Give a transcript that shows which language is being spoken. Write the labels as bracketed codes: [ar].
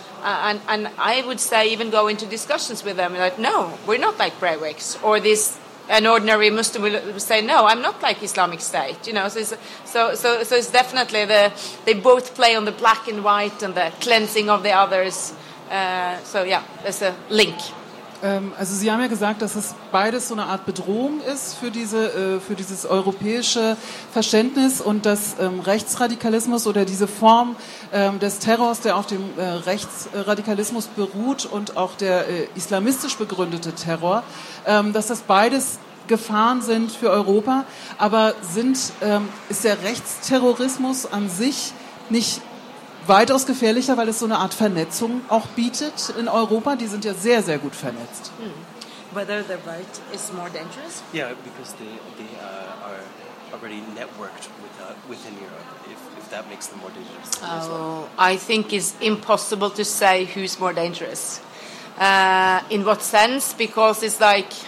[en] And I would say even go into discussions with them, like, no, we're not like Breiviks. Or this, an ordinary Muslim will say, no, I'm not like Islamic State. You know, so it's definitely they both play on the black and white and the cleansing of the others. There's a link. [de] Also Sie haben ja gesagt, dass es beides so eine Art Bedrohung ist für dieses europäische Verständnis und dass Rechtsradikalismus oder diese Form des Terrors, der auf dem Rechtsradikalismus beruht und auch der islamistisch begründete Terror, dass das beides Gefahren sind für Europa. Aber ist der Rechtsterrorismus an sich nicht weitaus gefährlicher, weil es so eine Art Vernetzung auch bietet in Europa. Die sind ja sehr, sehr gut vernetzt. [en] Hmm. Whether the right is more dangerous? Yeah, because they are already networked within Europe, if that makes them more dangerous. I think it's impossible to say who's more dangerous. In what sense? Because it's like...